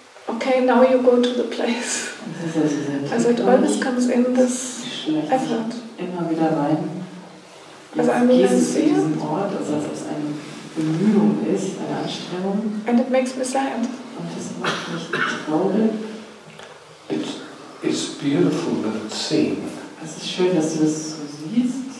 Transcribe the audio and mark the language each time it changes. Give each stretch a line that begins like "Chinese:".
English: Okay, now you go to the place.
German: Also
English: it always comes in this effort.
German: Immer wieder rein.
English: Also I mean, I see it.
German: Ort, also dass es eine Bemühung ist, eine Anstrengung.
English: And it makes me sad.
German: Und das macht mich traurig.
English: It's beautiful that it's seen.
German: Es ist schön, dass du das so siehst.